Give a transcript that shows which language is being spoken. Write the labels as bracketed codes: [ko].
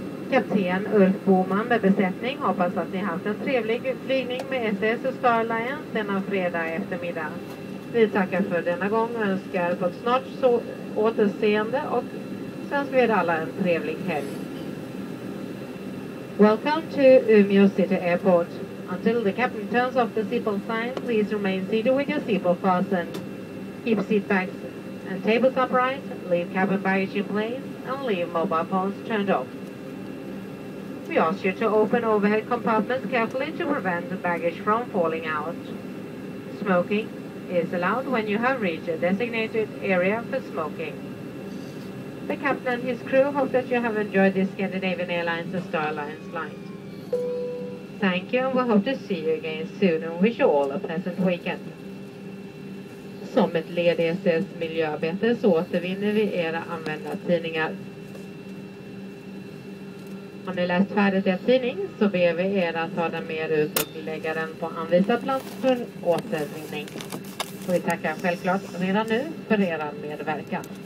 [sv] Kapten Ulf Boman med besättning hoppas att ni haft en trevlig flygning med SAS och Starlines denna fredag eftermiddag. Vi tackar för denna gång och önskar på ett snart återseende och sen ska vi alla en trevlig helg. [en] Welcome to Umeå City Airport. Until the captain turns off the seatbelt sign, please remain seated with your seatbelt fastened. Keep seatbacks and tables upright, leave cabin baggage in place and leave mobile phones turned off. We ask you to open overhead compartments carefully to prevent the baggage from falling out. Smoking is allowed when you have reached a designated area for smoking. The captain and his crew hope that you have enjoyed this Scandinavian Airlines and Star Alliance flight. Thank you and we hope to see you again soon and wish you all a pleasant weekend. [sv] Som ett led I SAS miljöarbete så återvinner vi era använda tidningar. Om ni läst färdigt er tidning så ber vi er att ta den med ut och lägga den på anvisad plats för återvinning. Och vi tackar självklart redan nu för er medverkan.